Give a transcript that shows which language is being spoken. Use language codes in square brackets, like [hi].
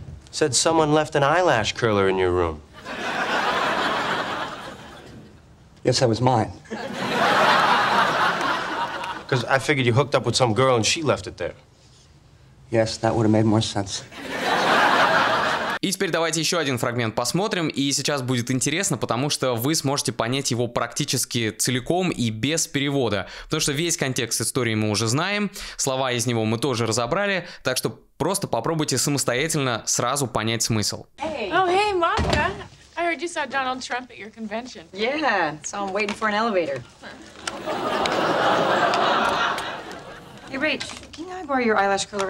[en] Said someone left an eyelash curler in your room. Yes, that was mine. Because I figured you hooked up with some girl and she left it there. Yes, that would have made more sense. [ru] И теперь давайте еще один фрагмент посмотрим, и сейчас будет интересно, потому что вы сможете понять его практически целиком и без перевода, потому что весь контекст истории мы уже знаем, слова из него мы тоже разобрали, так что просто попробуйте самостоятельно сразу понять смысл. [en] Hey. Oh, hey, Monica. I heard you saw Donald Trump at your convention. Yeah, so I'm waiting for an elevator. Hey, Rach, can I borrow your eyelash curler?